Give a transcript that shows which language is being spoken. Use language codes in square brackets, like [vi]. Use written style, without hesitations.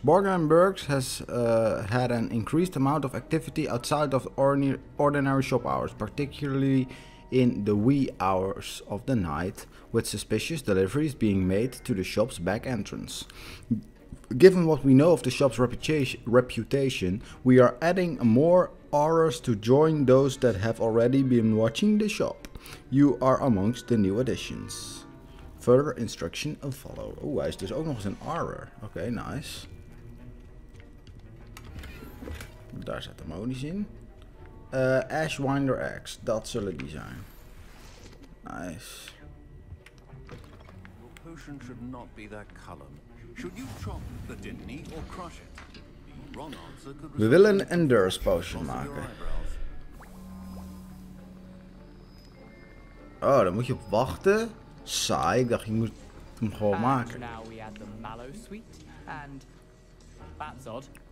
[en] Borgen and Burks has had an increased amount of activity outside of ordinary shop hours, particularly in the wee hours of the night, with suspicious deliveries being made to the shop's back entrance. Given what we know of the shop's reputation, we are adding more auras to join those that have already been watching the shop. You are amongst the new additions. Further instruction will follow. Oh, why is this [nl] ook nog eens een [en] armor? Okay, nice. [nl] Daar zit de monies in. Ashwinder Axe, dat zullen die zijn. [en] Nice. Your potion should not be that color. Should you chop the dinny or crush it? The wrong answer could [nl] be. We willen een Endurance potion maken. Oh, dan moet je wachten. Saai, ik dacht je moet hem gewoon maken. [en] Now we add the mallow sweet and that's odd.